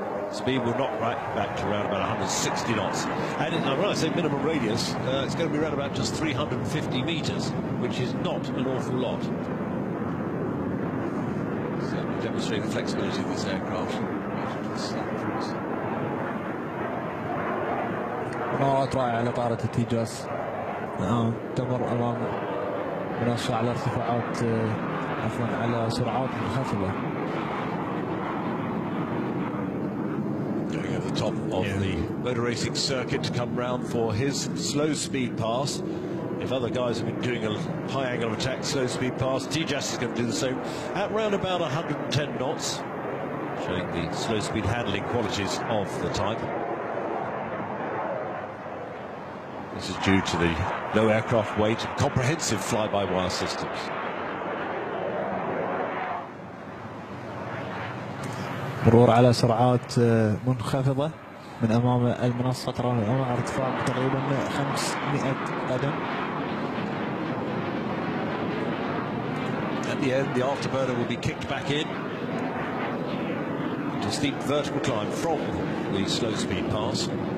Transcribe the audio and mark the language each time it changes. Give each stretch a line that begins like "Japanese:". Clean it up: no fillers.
English: Speed will knock right back to around about 160 knots. And when I say minimum radius, it's going to be around about just 350 metres, which is not an awful lot. So demonstrating the flexibility of this aircraft.
Arabic: مرة رائعة لطائرة تيجاس تمر أمام منصة على ارتفاعات عفوا على سرعات منخفضة.
English: Top of the motor racing circuit to come round for his slow speed pass. If other guys have been doing a high angle of attack, slow speed pass, Tejas is going to do the same at round about 110 knots, showing the slow speed handling qualities of the type. This is due to the low aircraft weight and comprehensive fly-by-wire systems.
Arabic: مرور على سرعات منخفضة من أمام المنصة ترى الأمام ارتفاع تقريبا 500 قدم.
English: At the end, the afterburner will be kicked back in to steep vertical climb from the slow speed pass.